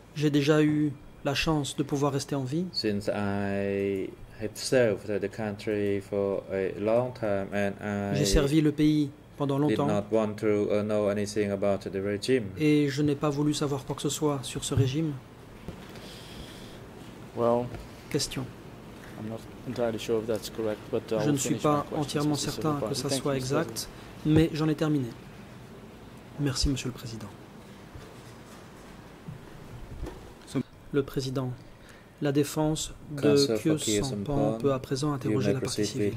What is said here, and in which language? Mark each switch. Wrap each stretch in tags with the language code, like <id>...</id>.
<fr>J'ai déjà eu la chance de pouvoir rester en vie.</fr> <en>Since I have served the country for a long time and</en> <fr>j'ai servi le pays pendant longtemps.</fr> <en>Did not want to know anything about the regime.</en> <fr>Et je n'ai pas voulu savoir quoi que ce soit sur ce régime.</fr> <en>Well, question. I'm not entirely sure if that's correct, but</en> <fr>je ne suis pas entièrement certain que ça soit exact, mais j'en ai terminé. Merci, Monsieur le Président. Le Président, la défense de Kyu Sampan peut à présent interroger la partie civile.</fr>